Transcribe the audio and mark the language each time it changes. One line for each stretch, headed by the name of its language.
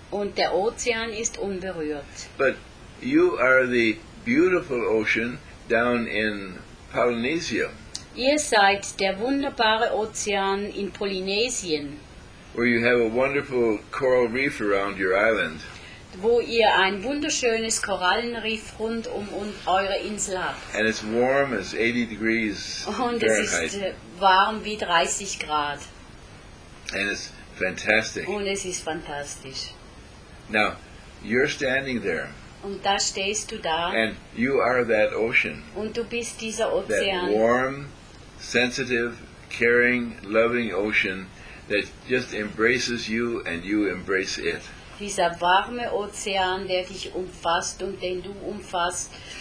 German: Und der Ozean ist unberührt.
English: But you are the beautiful ocean down in Polynesia.
German: Ihr seid der wunderbare Ozean in Polynesien.
English: Where you have a wonderful coral reef around your island.
German: Wo ihr ein wunderschönes Korallenriff rund um eure Insel habt.
English: And it's warm as 80 degrees
German: und
English: Fahrenheit.
German: Es ist warm wie 30 Grad.
English: And it's fantastic.
German: Und es ist fantastisch.
English: Now, you're standing there.
German: Und da stehst du da.
English: And you are that ocean.
German: Und du bist dieser Ozean.
English: That warm, sensitive, caring, loving ocean that just embraces you and you embrace it.
German: Dieser warme Ozean, der dich umfasst und den du umfasst.